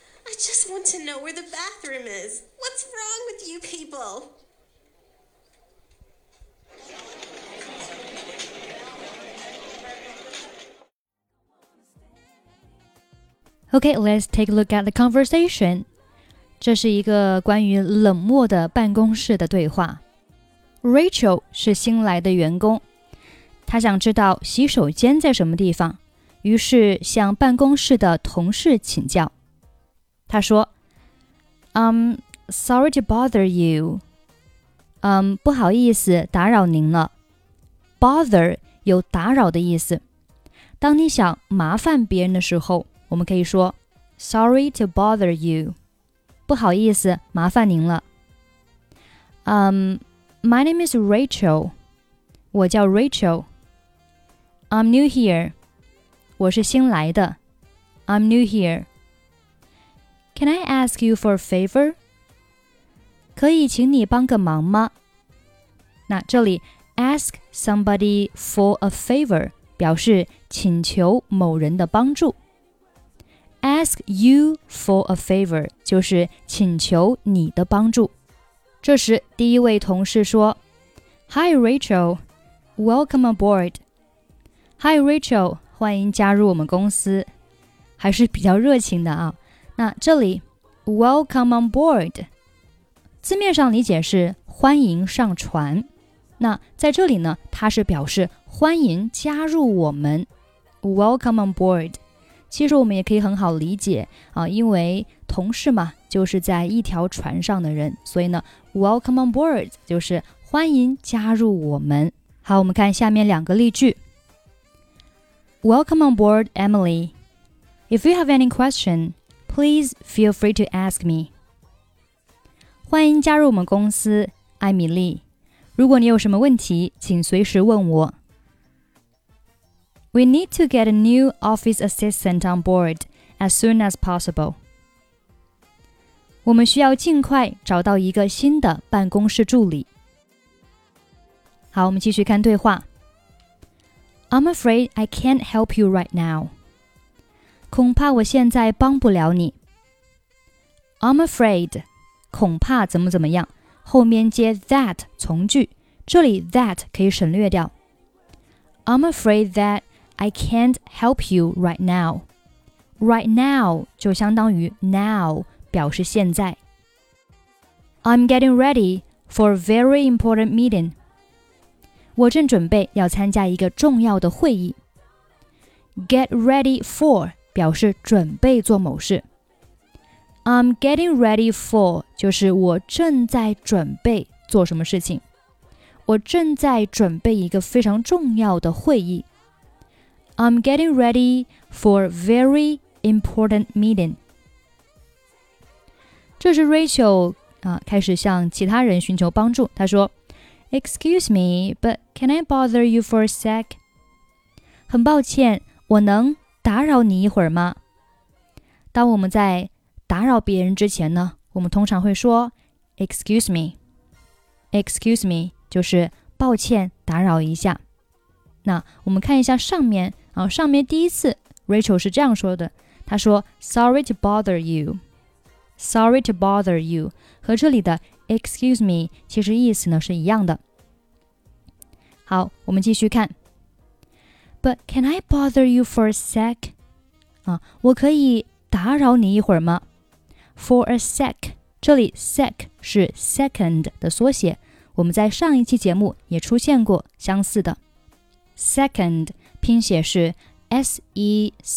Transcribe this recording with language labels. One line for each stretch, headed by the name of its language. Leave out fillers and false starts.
English: I just want to know where the bathroom is. What's wrong with you people? Okay, let's take a look at the conversation.
Chinese: 这是一个关于冷漠的办公室的对话。 Rachel 是新来的员工，她想知道洗手间在什么地方。于是向办公室的同事请教。他说
English: sorry to bother you.
Chinese: 不好意思打扰您了。 Bother 有打扰的意思。当你想麻烦别人的时候，我们可以说
English: sorry to bother you.
Chinese: 不好意思麻烦您了。
English: My name is Rachel.
Chinese: 我叫 Rachel.
English: I'm new here.
Chinese: 我是新来的。
English: I'm new here. Can I ask you for a favor?
Chinese: 可以请你帮个忙吗？那这里
English: ask somebody for a favor
Chinese: 表示请求某人的帮助。
English: Ask you for a favor
Chinese: 就是请求你的帮助。这时第一位同事说
English: Hi Rachel, welcome aboard.
Chinese: Hi Rachel,欢迎加入我们公司，还是比较热情的啊。那这里
English: Welcome on board
Chinese: 字面上理解是欢迎上船，那在这里呢，它是表示欢迎加入我们
English: Welcome on board。
Chinese: 其实我们也可以很好理解啊，因为同事嘛，就是在一条船上的人，所以呢
English: Welcome on board
Chinese: 就是欢迎加入我们。好，我们看下面两个例句。
English: Welcome on board, Emily. If you have any question, please feel free to ask me.
Chinese: 欢迎加入我们公司，艾米丽。如果你有什么问题，请随时问我。
English: We need to get a new office assistant on board as soon as possible.
Chinese: 我们需要尽快找到一个新的办公室助理。好，我们继续看对话。
English: I'm afraid I can't help you right now.
Chinese: 恐怕我现在帮不了你。
English: I'm afraid,
Chinese: 恐怕怎么怎么样，后面接 that 从句，这里 that 可以省略掉。
English: I'm afraid that I can't help you right now.
Chinese: Right now 就相当于 now, 表示现在。
English: I'm getting ready for a very important meeting.
Chinese: 我正准备要参加一个重要的会议。
English: Get ready for
Chinese: 表示准备做某事。
English: I'm getting ready for
Chinese: 就是我正在准备做什么事情。我正在准备一个非常重要的会议。
English: I'm getting ready for a very important meeting.
Chinese: 这是 Rachel, 开始向其他人寻求帮助。她说
English: Excuse me, but can I bother you for a sec?
Chinese: 很抱歉，我能打扰你一会儿吗？当我们在打扰别人之前呢，我们通常会说
English: Excuse me. Excuse me,
Chinese: 就是抱歉打扰一下。那我们看一下上面，上面第一次 Rachel 是这样说的，她说
English: Sorry to bother you. Sorry to bother you,
Chinese: 和这里的Excuse me, 其实意思呢是一样的。好，我们继续看。
English: But can I bother you for a sec?
Chinese: 我可以打扰你一会儿吗
English: for a sec.
Chinese: 这里 sec 是 second 的缩写，我们在上一期节目也出现过相似的。 Second 拼写是 S-E-C-O-N-D.